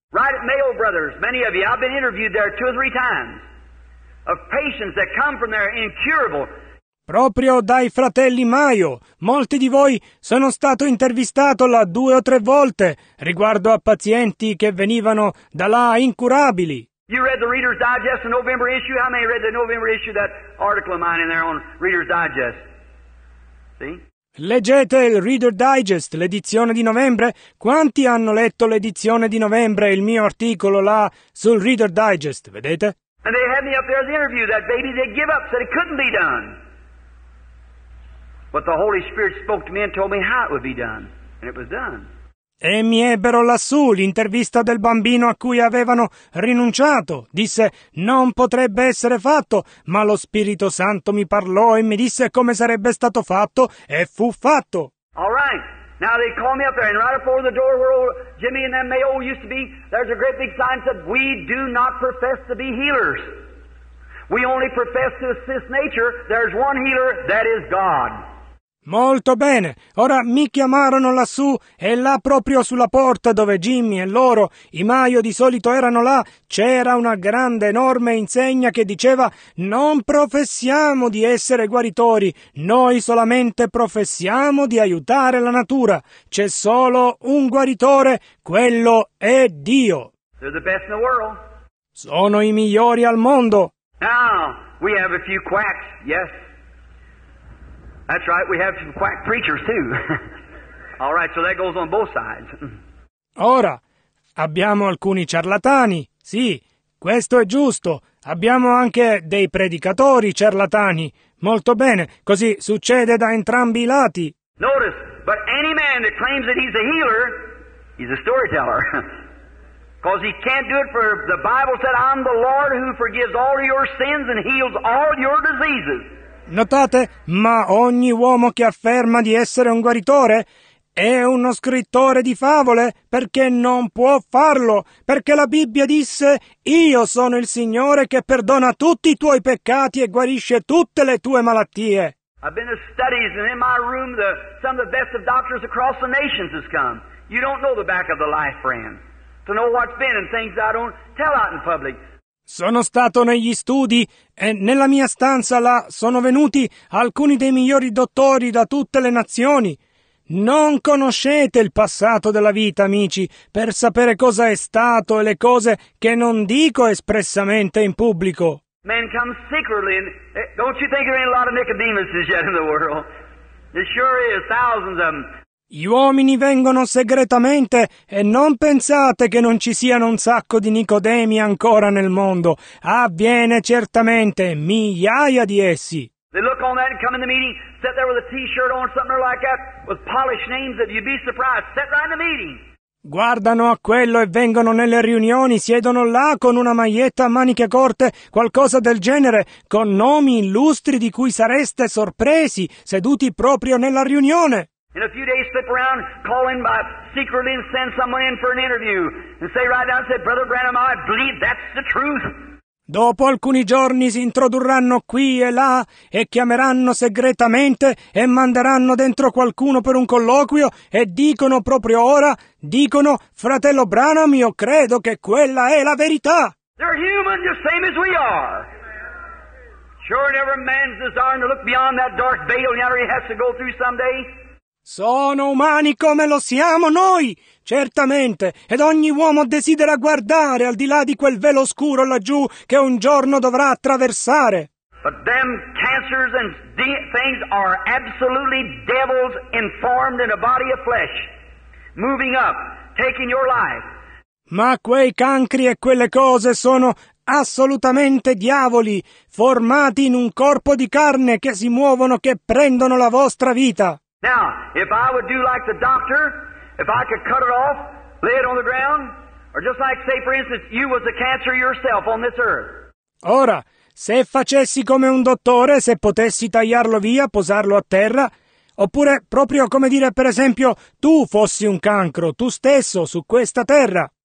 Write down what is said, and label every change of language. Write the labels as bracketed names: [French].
[English] Right at Mayo Brothers, many of you, I've been interviewed there 2 or 3 times, of patients that come from there incurable. [Italian] Proprio dai fratelli Mayo, molti di voi sono stato intervistato là 2 o 3 volte riguardo a pazienti che venivano da là incurabili. [English] You read the Reader's Digest, the November issue? How many read the November issue, that article of mine in there on Reader's Digest? See? [Italian] Leggete il Reader Digest, l'edizione di novembre? Quanti hanno letto l'edizione di novembre, il mio articolo là sul Reader Digest, vedete? [English] And they had me up there to interview that baby, they give up, said it couldn't be done. But the Holy Spirit spoke to me and told me how it would be done, and it was done. [Italian] E mi ebbero lassù l'intervista del bambino a cui avevano rinunciato. Disse: non potrebbe essere fatto, ma lo Spirito Santo mi parlò e mi disse come sarebbe stato fatto, e fu fatto. [English] All right. Now they call me up there, and right before the door where old Jimmy and them Mayo used to be, there's a great big sign that said, we do not profess to be healers. We only profess to assist nature. There's one healer, that is God. [Italian] Molto bene, ora mi chiamarono lassù e là proprio sulla porta dove Jimmy e loro, i Mayo di solito erano là, c'era una grande enorme insegna che diceva: non professiamo di essere guaritori, noi solamente professiamo di aiutare la natura, c'è solo un guaritore, quello è Dio. [English] They're the best in the world. [Italian] Sono i migliori al mondo. [English] Now, we have a few quacks, yes. That's right, we have some quack preachers too. All right, so that goes on both sides. [Italian] Ora, abbiamo alcuni ciarlatani, sì, questo è giusto. Abbiamo anche dei predicatori ciarlatani. Molto bene, così succede da entrambi i lati. [English] Notice, but any man that claims that he's a healer, he's a storyteller. Because he can't do it, for the Bible said, I'm the Lord who forgives all your sins and heals all your diseases. [Italian] Notate, ma ogni uomo che afferma di essere un guaritore è uno scrittore di favole, perché non può farlo, perché la Bibbia disse, io sono il Signore che perdona tutti i tuoi peccati e guarisce tutte le tue malattie. [English] I've been to studies, and in my room, some of the best of doctors across the nations has come. You don't know the back of the life, friend. To know what's been and things I don't tell out in public. [Italian] Sono stato negli studi e nella mia stanza là sono venuti alcuni dei migliori dottori da tutte le nazioni. Non conoscete il passato della vita, amici, per sapere cosa è stato e le cose che non dico espressamente in pubblico. [English] Man comes secretly, and don't you think there ain't a lot of Nicodemuses yet in the world? There sure is, thousands of them. [Italian] Gli uomini vengono segretamente e non pensate che non ci siano un sacco di Nicodemi ancora nel mondo. Avviene certamente, migliaia di essi. [English] They look on that and come in the meeting, sit there with a t-shirt on, something like that, with polished names, that you'd be surprised, sit right in the meeting. [Italian] Guardano a quello e vengono nelle riunioni, siedono là con una maglietta a maniche corte, qualcosa del genere, con nomi illustri di cui sareste sorpresi, seduti proprio nella riunione. [English] In a few days flip around, call in by secretly and send someone in for an interview, and say right down, say, Brother Branham, I believe that's the truth. [Italian] Dopo alcuni giorni si introdurranno qui e là e chiameranno segretamente e manderanno dentro qualcuno per un colloquio e dicono proprio ora, dicono, fratello Branham, io credo che quella è la verità. [English] They're human just same as we are. Sure, every man's desire to look beyond that dark veil yonder he has to go through someday. [Italian] Sono umani come lo siamo noi, certamente, ed ogni uomo desidera guardare al di là di quel velo scuro laggiù che un giorno dovrà attraversare. [English] But them cancers and things are absolutely devils informed in a body of flesh, moving up, taking your life. [Italian] Ma quei cancri e quelle cose sono assolutamente diavoli, formati in un corpo di carne che si muovono, che prendono la vostra vita. [English] Now, if I would do like the doctor, if I could cut it off, lay it on the ground, or just like, say, for instance, you was the cancer yourself on this earth. [Italian] Ora, se facessi come un dottore, se potessi tagliarlo via, posarlo a terra, oppure proprio come dire, per esempio, tu fossi un cancro, tu stesso, su questa terra.